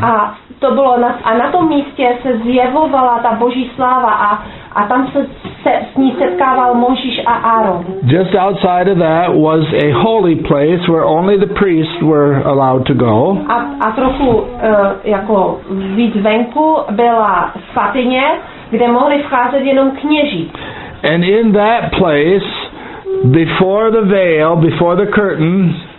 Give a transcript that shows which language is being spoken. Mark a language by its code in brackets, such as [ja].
[cs] A na tom místě se zjevovala ta Boží sláva a tam se s ní setkával Mojžíš a Aaron. [en] Just outside of that was a holy place where only the priests were allowed to go. [cs] A trochu jako víc venku byla svatyně, kde mohli vcházet jenom kněží. [en] And in that place, before the veil, before the curtain,